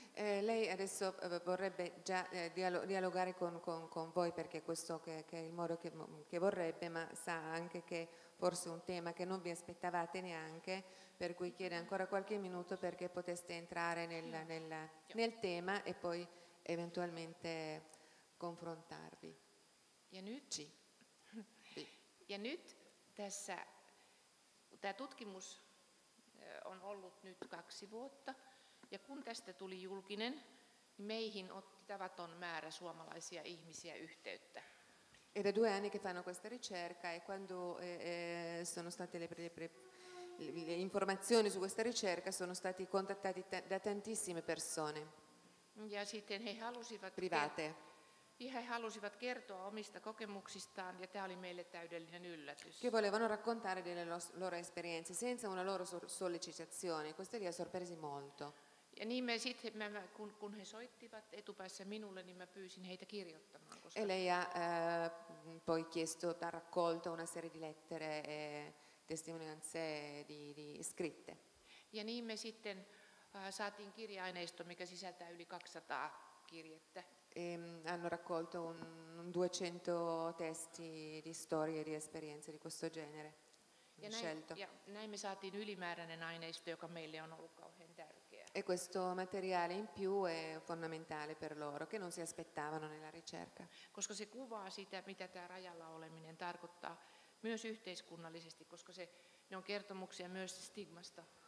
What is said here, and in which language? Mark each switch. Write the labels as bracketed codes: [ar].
[it] Lei adesso vorrebbe già dialogare con voi, perché questo che è il modo che vorrebbe, ma sa anche che forse un tema che non vi aspettavate neanche, per cui chiede ancora qualche minuto perché poteste entrare nel tema e poi eventualmente confrontarvi. [fi] E nyt tässä tämä tutkimus on ollut nyt 2 vuotta, ja kun tästä tuli julkinen, niin meihin otti tavaton määrä suomalaisia ihmisiä yhteyttä. [it] E da 2 anni che fanno questa ricerca e quando sono state le informazioni su questa ricerca sono stati contattati da tantissime persone. [fi] Ja sitten he halusivat [it] private. [fi] He halusivat kertoa omista kokemuksistaan, ja tämä oli meille täydellinen yllätys. [it] Che volevano raccontare delle loro esperienze senza una loro sollecitazione. Questo li ha sorpresi molto. [fi] Ja niin me sitten, kun he soittivat etupäässä minulle, niin mä pyysin heitä kirjoittamaan. [it] E lei ha poi chiesto, ha raccolto una serie di lettere e testimonianze di scritte. [fi] Ja niin me sitten saatiin kirja-aineisto, mikä sisältää yli 200 kirjettä. [it] E hanno raccolto un 200 testi di storie, di esperienze di questo genere. scelto. [fi] Näin me saatiin ylimääräinen aineisto, joka meille on ollut kauhean tärkeä. [it] E questo materiale in più è fondamentale per loro, che non si aspettavano nella ricerca. [fi] Koska se kuvaa sitä, mitä tämä rajalla oleminen tarkoittaa myös yhteiskunnallisesti, koska se, ne on kertomuksia myös stigmasta.